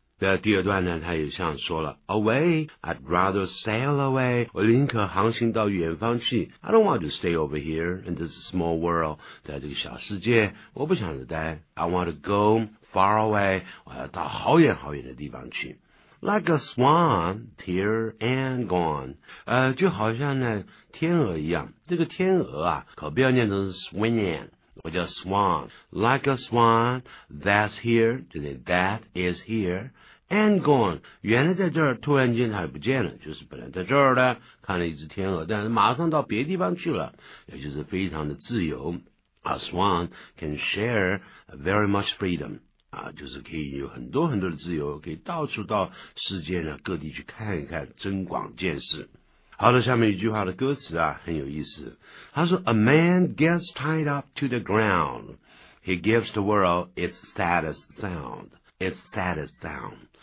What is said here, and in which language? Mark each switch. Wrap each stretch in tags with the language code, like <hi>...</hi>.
<zh>那第二段呢他也像说了 away I'd rather sail away 我宁可航行到远方去 I don't want to stay over here in this small world 在这个小世界我不想待 I want to go far away 我要到好远好远的地方去 Like a swan, here and gone. 就好像呢天鹅一样。这个天鹅啊可不要念成 swinging, 我叫 swan.</zh> <en>Like a swan, that's here, 就是 that is here, and gone.</en> <zh>原来在这儿突然间它也不见了就是本来在这儿的看了一只天鹅但是马上到别地方去了也就是非常的自由。</zh> <en>A swan can share very much freedom.</en> <zh>就是可以有很多很多的自由可以到处到世界呢各地去看一看增广见识好的下面一句话的歌词啊很有意思他说 A man gets tied up to the ground He gives the world its saddest sound Its saddest sound</zh>